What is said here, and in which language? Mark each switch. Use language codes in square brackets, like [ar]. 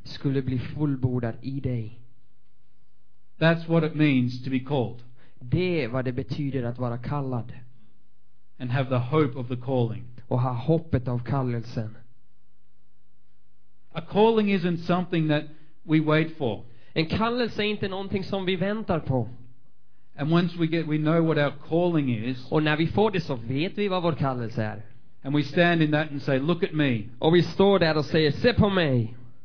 [sv] Skulle bli fullbordad I dig. [en] That's what it means to be called. [sv] Det är vad det betyder att vara kallad. [en] And have the hope of the calling. [sv] Och ha hoppet av kallelsen. [en] A calling isn't something that we wait for. [sv] En kallelse är inte någonting som vi väntar på. [en] And once we know what our calling is. [sv] Och när vi får det så vet vi vad vår kallelse är. [en] And we stand in that and say, look at me. [sv] Och vi står där och säger, se på mig.